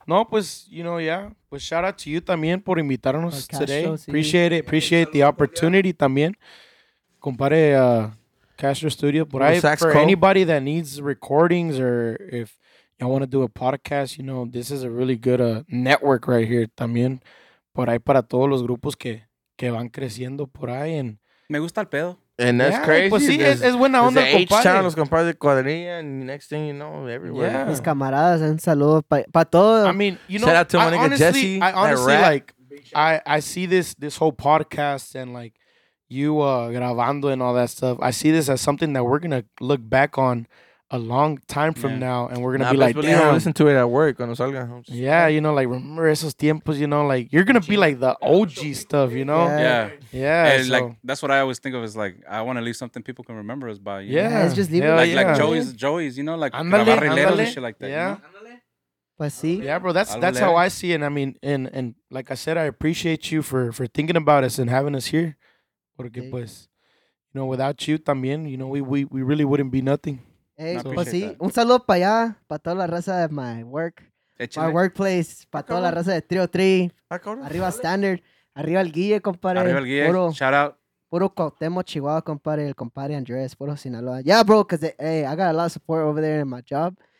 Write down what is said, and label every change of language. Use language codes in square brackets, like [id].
[es] No, pues, [en] you know, yeah. [es] Pues [en] shout out to you [es] también por invitarnos [en] cash today. [es] Show, sí. [en] Appreciate it. Appreciate the opportunity [es] también. [en] Compare Castro Studio. But I, for anybody that needs recordings or if y'all want to do a podcast, you know, this is a really good network right here [es] también. Por ahí para todos los grupos que van creciendo por ahí. [en] And, [es] me gusta el pedo. [en] And that's crazy. [es] Pues sí, es buena onda, [en] compadre. There's H-Town, [es] los compadres de cuadrilla, [en] and next thing you know, everywhere. [es] Yeah. Mis camaradas, un saludo pa todos. [en] I mean, you know, shout out to my nigga Jesse, I honestly, like, I see this whole podcast and, like, you [es] grabando [en] and all that stuff. I see this as something that we're going to look back on a long time from now, and we're gonna be like, damn. Listen to it at work [es] cuando salga. [en] Yeah, you know, like remember [es] esos tiempos, [en] you know, like you're gonna be like the OG stuff, you know. Yeah. And so, like that's what I always think of is like I want to leave something people can remember us by. Yeah, it's just leaving. Like Joey's, you know, like grabarrileros and shit like that. Yeah. But see. Yeah, bro. That's how I see it. I mean, and like I said, I appreciate you for thinking about us and having us here. [es] Porque pues, [en] you know, without you [es] también, [en] you know, we really wouldn't be nothing. [es] Hey, pues sí, un saludo para allá, para toda la raza de [en] my work, my workplace, [es] para toda la raza de Trio 3, arriba Standard, arriba el Guille, compadre. Arriba el Guille, puro, [en] shout out. [es] Puro Cuauhtémoc, Chihuahua, compadre, el compadre Andrés, puro Sinaloa. [en] Yeah, bro, because hey, I got a lot of support over there in my job.